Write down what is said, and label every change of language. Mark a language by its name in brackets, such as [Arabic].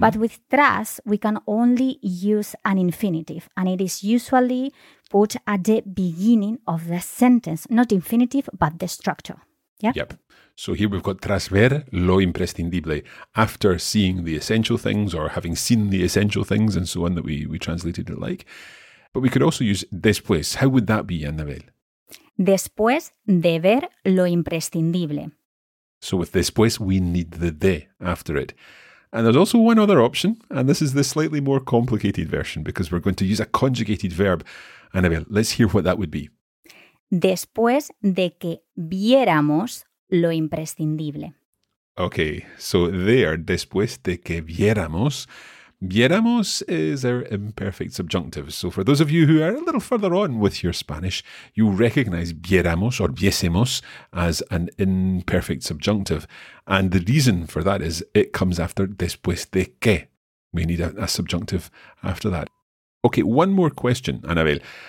[English] But with tras, we can only use an infinitive, and it is usually put at the beginning of the sentence, not infinitive, but the structure. Yeah? Yep. So here we've got [Spanish] tras ver lo imprescindible, [English] after seeing the essential things or having seen the essential things and so on that we translated it like. But we could also use después. How would that be, Annabel? [Spanish] Después de ver lo imprescindible. [English] So with después, we need the de after it. And there's also one other option, and this is the slightly more complicated version because we're going to use a conjugated verb. Annabel, let's hear what that would be. [Spanish] Después de que viéramos lo imprescindible. [English] Okay, so there, [Spanish] después de que viéramos. [English] Viéramos is our imperfect subjunctive. So for those of you who are a little further on with your Spanish, you recognize viéramos or viésemos as an imperfect subjunctive. And the reason for that is it comes after después de que. We need a subjunctive after that. Okay, one more question, Anabel.